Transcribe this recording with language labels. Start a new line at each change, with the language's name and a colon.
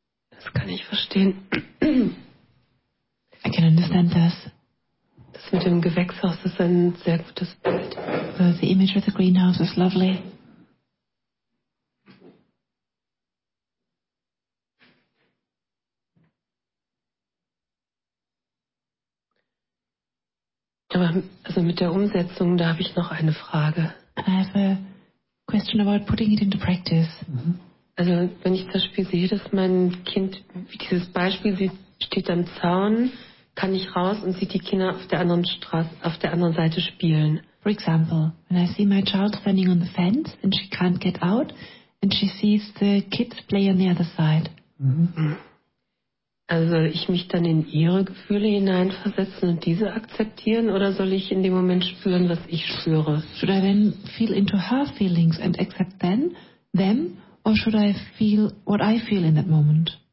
German: Das kann ich verstehen.
English: I can understand this.
German: Das mit dem Gewächshaus ist ein sehr gutes Bild.
English: So the image with the greenhouse is lovely.
German: Aber also mit der Umsetzung, da habe ich noch eine Frage.
English: I have a question about putting it into practice. Mm-hmm.
German: Also wenn ich zum Beispiel sehe, dass mein Kind, wie dieses Beispiel, sie steht am Zaun, kann ich raus und sieht die Kinder auf der anderen Straße, auf der anderen Seite spielen.
English: For example, when I see my child standing on the fence and she can't get out and she sees the kids play on the other side. Mhm.
German: Also soll ich mich dann in ihre Gefühle hineinversetzen und diese akzeptieren oder soll ich in dem Moment spüren, was ich spüre?
English: Should I then feel into her feelings and accept them? or should I feel what I feel in that moment?